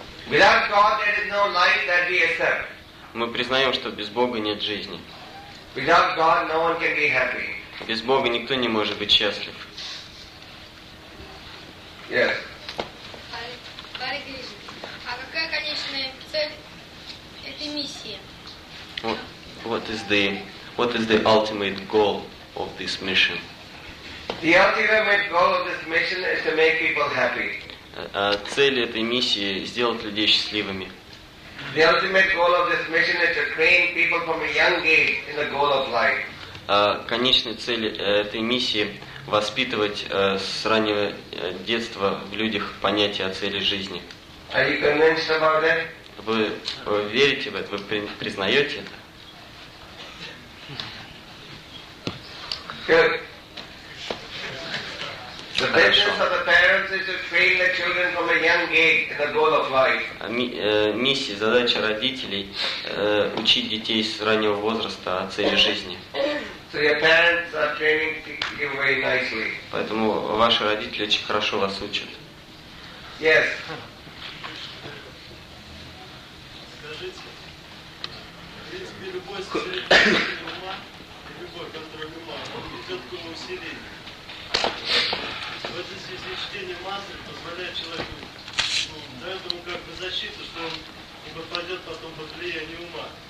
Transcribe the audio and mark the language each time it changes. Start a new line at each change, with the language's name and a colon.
English: Without God there is no life that we accept.
Russian: Мы признаем, что без Бога нет жизни.
English: Without God no one can be happy.
Russian: Без Бога никто не может быть счастлив.
English: Yes.
Russian: Hare Krishna. А какая конечная цель этой миссии?
English: What is the ultimate goal of this mission? The ultimate goal of this mission is to make people happy.
Russian: Цель этой миссии – сделать людей счастливыми.
English: The ultimate goal of this mission is to train people from a young age in the goal of life.
Russian: Конечная цель этой миссии – воспитывать с раннего детства в людях понятие о цели жизни.
English: Are you convinced about that?
Russian: Вы верите в это? Вы признаете это?
English: Good. The business of the parents is to train the children from a young age in the goal of life.
Russian: Миссия, задача родителей учить детей с раннего возраста о цели жизни.
English: So your parents are training you very nicely.
Russian: Поэтому ваши родители очень хорошо вас учат.
English: Yes.
Russian: Скажите, в принципе, любой контроль ума, он идет к усилению. В этой связи чтение мантры позволяет человеку, дает ему как бы защиту, что он не попадет потом под влияние ума.